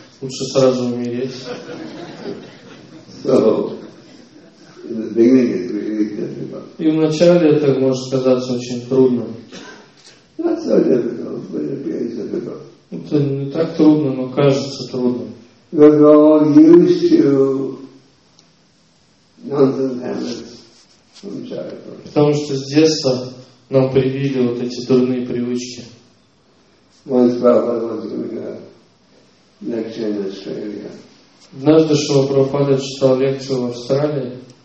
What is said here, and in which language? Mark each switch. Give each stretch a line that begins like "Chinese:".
Russian: Лучше сразу умереть.
English: So, in the beginning it's really difficult.
Russian: И вначале это может казаться очень трудным.
English: Not so difficult, but it appears difficult.
Russian: Это не так трудно, но кажется трудным.
English: We're all used to nonsense habits from childhood.
Russian: Потому что с детства нам привили вот эти дурные привычки. Однажды Шрила Прабхупада читал лекцию в Австралии.